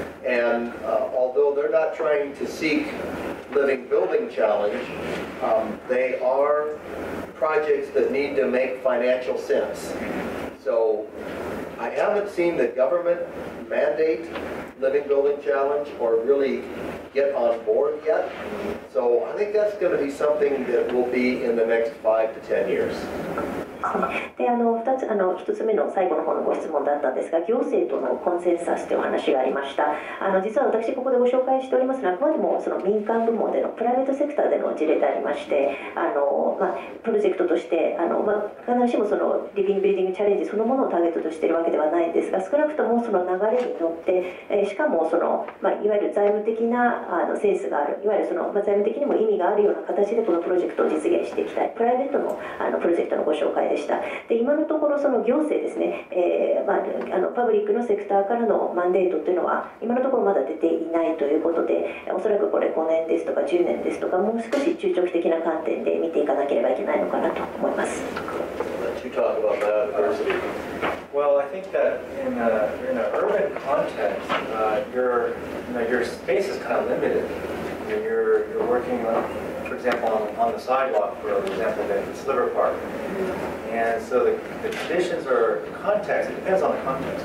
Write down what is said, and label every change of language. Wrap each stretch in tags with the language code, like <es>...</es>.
<en>And although they're not trying to seek living building challenge, they are projects that need to make financial sense. So I haven't seen the government mandate living building challenge or really get on board yet. So I think that's going to be something that will be in the next 5 to 10 years.</en> <ja>で、1つ目の最後の方のご質問だったんですが、行政とのコンセンサスというお話がありました。実は私ここでご紹介しておりますのは、あくまでもその民間部門でのプライベートセクターでの事例でありまして、プロジェクトとして必ずしもそのリビングビルディングチャレンジそのものをターゲットとしているわけではないんですが、少なくともその流れに乗って、しかもその、いわゆる財務的なセンスがある、いわゆるその、財務的にも意味があるような形でこのプロジェクトを実現していきたい、プライベート のプロジェクトのご紹介でした。で、今のところその行政ですね、パブリックのセクターからのマンデートというのは今のところまだ出ていないということで、おそらくこれ5年ですとか10年ですとか、もう少し中長期的な観点で見ていかなければいけないのかなと思います。</ja> <en>Well, I think that in an urban context, your space is kind of limited. You're working, for example, on the sidewalk, for example, in Sliver Park. And so the conditions are context, it depends on the context.</en>